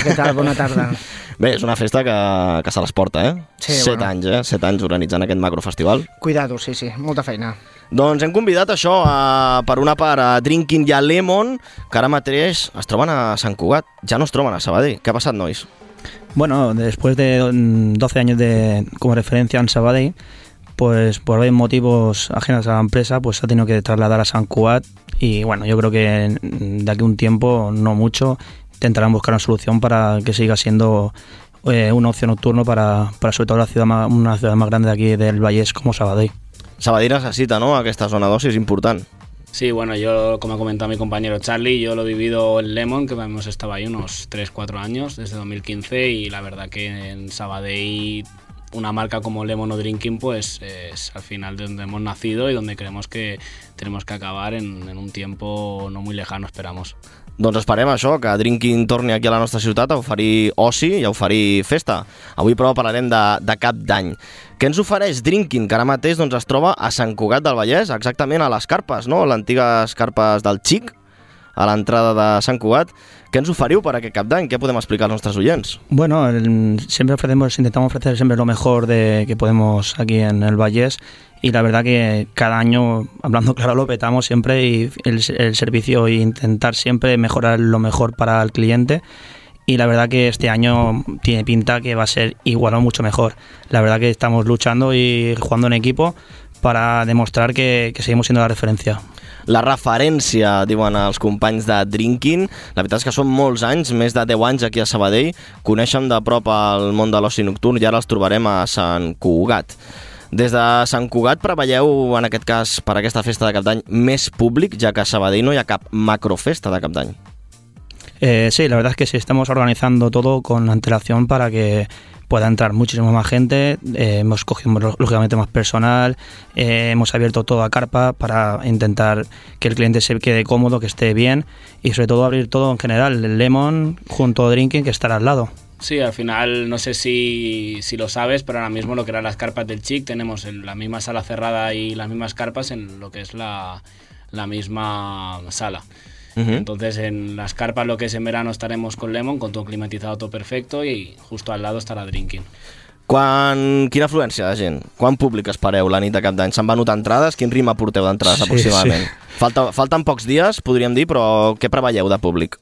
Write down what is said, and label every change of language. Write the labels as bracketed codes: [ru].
[ca] Què tal? Bona tarda. Bé, és una festa que se les porta, eh? Sí, set bueno. Anys, eh? 7 anys organitzant aquest macrofestival. Cuidado, sí, sí. Molta feina. Doncs hem convidat això, per una part, a Drinking i a Lemon, que ara mateix es troben a Sant Cugat. Ja no es troben a Sabadell. Què ha passat, nois? [es] Bueno, después de 12 años de como referencia en Sabadell, pues por varios motivos ajenos a la empresa, pues ha tenido que trasladar a Sant Cugat y bueno, yo creo que de aquí un tiempo, no mucho, intentarán buscar una solución para que siga siendo un ocio nocturno para sobre todo una ciudad más grande de aquí del Vallès como Sabadell. Sabadell necesita, ¿no?, [ca] aquesta zona d'oci, és important. [es] Sí, bueno, yo, como ha comentado mi compañero Charlie, yo lo he vivido en Lemon, que hemos estado ahí unos 3-4 años, desde 2015, y la verdad que en Sabadell una marca como Lemon o Drinking, pues es al final de donde hemos nacido y donde creemos que tenemos que acabar en un tiempo no muy lejano, esperamos. [ca] Doncs esperem això, que Drinking torni aquí a la nostra ciutat a oferir oci i a oferir festa. Avui, però, parlarem de Cap d'Any. Què ens ofereix Drinking, que ara mateix doncs, es troba a Sant Cugat del Vallès, exactament a les Carpes, no? L'antigues Carpes del Xic, a l'entrada de Sant Cugat. Què ens oferiu per aquest Cap d'Any? Què podem explicar als nostres oients? [es] Bueno, sempre ofrecemos, intentamos ofrecer siempre lo mejor de que podemos aquí en el Vallès. Y la verdad que cada año, hablando claro, lo petamos siempre y el servicio e intentar siempre mejorar lo mejor para el cliente. Y la verdad que este año tiene pinta que va a ser igual o mucho mejor. La verdad que estamos luchando y jugando en equipo para demostrar que seguimos siendo la referencia. [ca] La referència, diuen els companys de Drinking. La veritat és que són molts anys, més de 10 anys aquí a Sabadell. Coneixen de prop el món de l'oci nocturn i ara els trobarem a Sant Cugat. Des de Sant Cugat preveieu, en aquest cas, per aquesta festa de Cap d'Any més públic, ja que a Sabadell no hi ha cap macrofesta de Cap d'Any? [es] Sí, la verdad es que sí, estamos organizando todo con antelación para que pueda entrar muchísima más gente. Hemos cogido, lógicamente, más personal, hemos abierto todo a carpa para intentar que el cliente se quede cómodo, que esté bien y, sobre todo, abrir todo en general, el Lemon junto a Drinking, que estará al lado. Sí, al final no sé si lo sabes, pero ahora mismo lo que eran las carpas del Chic, tenemos la misma sala cerrada y las mismas carpas en lo que es la misma sala. Uh-huh. Entonces en las carpas, lo que es en verano, estaremos con Lemon, con todo climatizado, todo perfecto, y justo al lado estará Drinking. [ca] Quina afluència de gent? Quant públic espereu la nit de Cap d'Any? Se'n van notar entrades? Quin ritme porteu d'entrades, aproximadament? Sí, sí. Falten pocs dies, podríem dir, però què preveieu de públic?